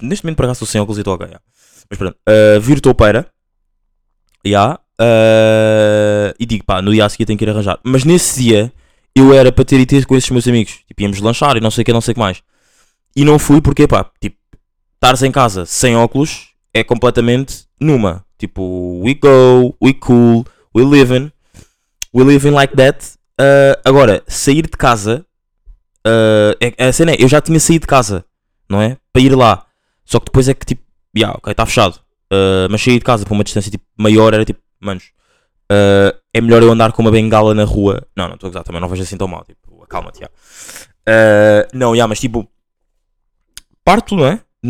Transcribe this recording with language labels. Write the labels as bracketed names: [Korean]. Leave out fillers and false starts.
[Portuguese] Neste momento, por acaso, estou sem óculos e estou ok, Mas pronto, viro toupeira, E digo, pá, no dia a seguir tenho que ir arranjar. Mas nesse dia, eu era para ter ido com esses meus amigos. Tipo, íamos lanchar e não sei o que, não sei o que mais. E não fui porque, pá, tipo, estares em casa sem óculos é completamente numa. [English] Tipo, we go, we cool, we living like that. [Portuguese] Agora, sair de casa, é assim, né? Eu já tinha saído de casa, não é? Para ir lá. Só que depois é que, tipo, ok, está fechado. Mas sair de casa para uma distância, tipo, maior era, tipo, manos, é melhor eu andar com uma bengala na rua. Não, não estou a gozar, também não vejo assim tão mal, tipo, acalma-te, Não, mas tipo, parto, não é?